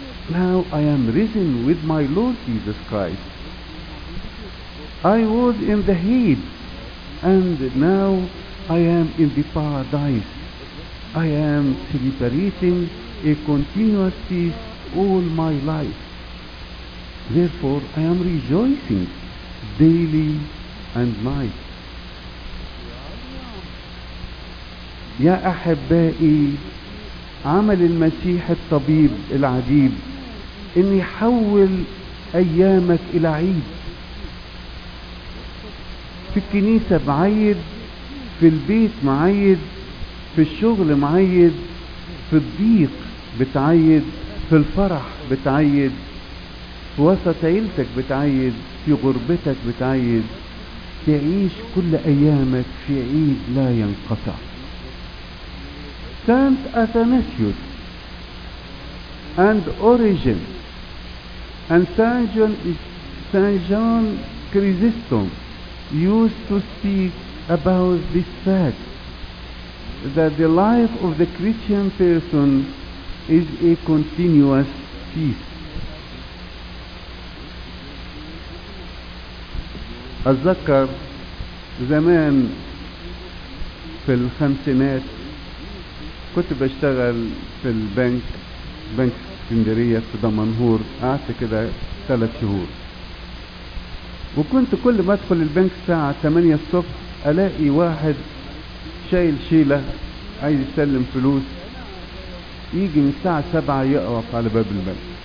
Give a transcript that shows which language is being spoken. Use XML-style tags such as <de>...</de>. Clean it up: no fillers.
<en>Now I am risen with my Lord Jesus Christ. I was in the Hades and now I am in the paradise. I am celebrating a continuous feast all my life. Therefore, I am rejoicing daily and night.</en> <ar>يا أحبائي، عمل المسيح الطبيب العجيب إن يحول أيامك إلى عيد. في الكنيسة معيد، في البيت معيد، في الشغل معيد، في الضيق بتعيد، في الفرح بتعيد، في وسط عيلتك بتعيد، في غربتك بتعيد، تعيش كل أيامك في عيد لا ينقطع.</ar> <en>Saint Athanasius and Origen and Saint John Chrysostom used to speak about this fact that the life of the Christian person is a continuous feast.</en> <ar>أتذكر زمان في الخمسينات كنت بشتغل في بنك اسكندرية في دمنهور، قعدت كده 3 شهور، وكنت كل ما أدخل البنك الساعة 8 الصبح ألاقي واحد شايل شيلة عايز يسلم فلوس، يجي من الساعة 7 يقف على باب البنك.</ar>